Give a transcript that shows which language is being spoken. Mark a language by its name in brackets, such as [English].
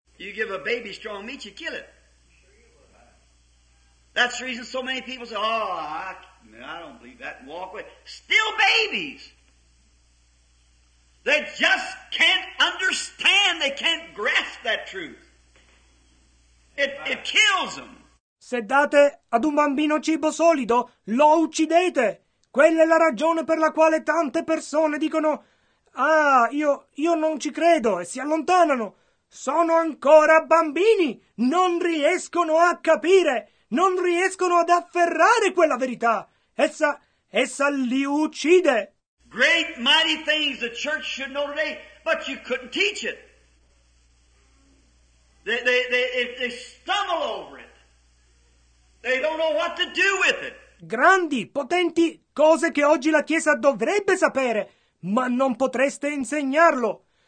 [English] You give a baby strong meat, you kill it. That's the reason so many people say, oh, I don't believe that, and walk away. Still babies. They just can't understand, they can't grasp that truth. It kills them. [Italian] Se date ad un bambino cibo solido, lo uccidete. Quella è la ragione per la quale tante persone dicono, ah, io non ci credo, e si allontanano. Sono ancora bambini, non riescono a capire. Non riescono ad afferrare quella verità. Essa li uccide. [English] Great mighty things the church should know today, but you couldn't teach it. They stumble over it. They don't know what to do with it. [Italian] Grandi, potenti cose che oggi la Chiesa dovrebbe sapere, ma non potreste insegnarlo.